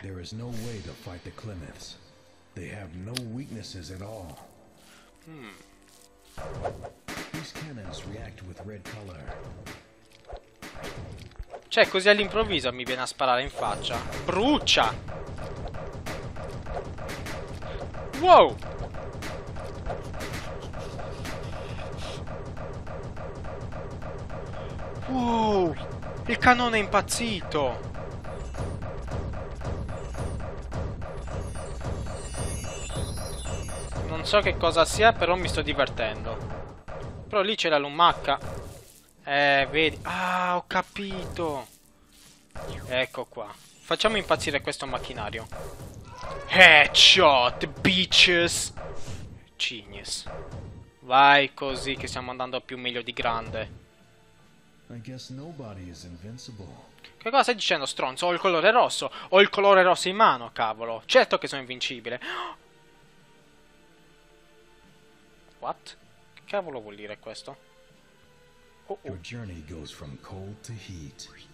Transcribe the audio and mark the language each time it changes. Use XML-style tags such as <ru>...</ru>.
<en>There is no way to fight the Clements. They have no weaknesses at all. These cannons react with red color.</en> <it>Cioè, così all'improvviso mi viene a sparare in faccia. Brucia! Wow! Wow! Il cannone è impazzito! Non so che cosa sia, però mi sto divertendo. Però lì c'è la lumaca. Vedi. Ah, ho capito. Ecco qua. Facciamo impazzire questo macchinario. Headshot, bitches. Genius. Vai così che stiamo andando più meglio di grande.</it> <en>I guess nobody is invincible.</en> <it>Che cosa stai dicendo, stronzo? Ho il colore rosso. Ho il colore rosso in mano, cavolo. Certo che sono invincibile. What? Che cavolo vuol dire questo? Oh.</it> <en>Your journey goes from cold to heat.</en>